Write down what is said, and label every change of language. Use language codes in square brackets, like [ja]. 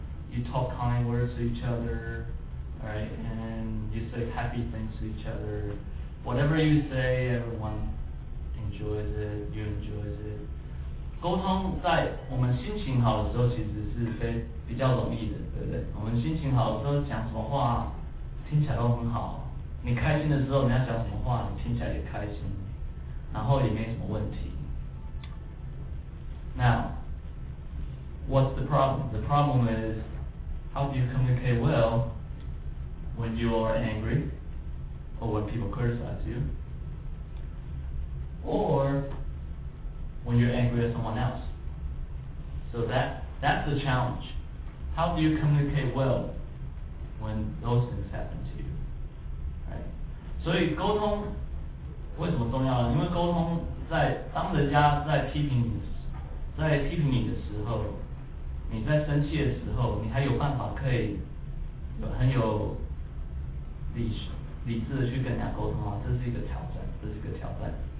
[en] You talk kind words to each other, right? And you say happy things to each other. Whatever you say, everyone enjoys it, you enjoy it. [zh] 沟通在我们心情好的时候其实是比较容易的，对不对？我们心情好的时候讲什么话听起来都很好，你开心的时候你要讲什么话你听起来也开心，然后也没什么问题。 [en] Now what's the problem? The problem is how do you communicate well when you are angry or when people criticize you orwhen you're angry at someone else. So that's the challenge. How do you communicate well when those things happen to you? Right? [zh] 所以沟通为什么重要呢？因为沟通在当人家在批评你的时候，你在生气的时候，你还有办法可以很有理智的去跟人家沟通啊，这是一个挑战，这是一个挑战。